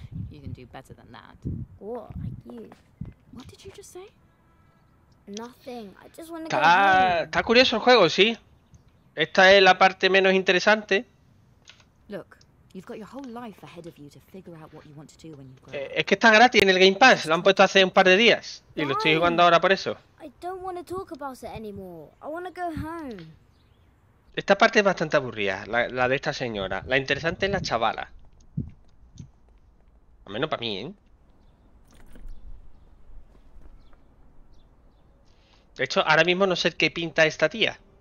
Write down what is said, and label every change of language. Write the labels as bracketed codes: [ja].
[en] You can do better than that. What, like you? What did you just say? Nothing. I just want to go home. [es] Está curioso el juego, sí. Esta es la parte menos interesante. [en] Look, you've got your whole life ahead of you to figure out what you want to do when you grow up. [es] Es que está gratis en el Game Pass. Lo han puesto hace un par de días y lo estoy jugando ahora por eso. [en] I don't want to talk about it anymore. I want to go home. [es] Esta parte es bastante aburrida, la de esta señora. La interesante es la chavala. Al menos para mí, ¿eh? De hecho, ahora mismo no sé qué pinta esta tía.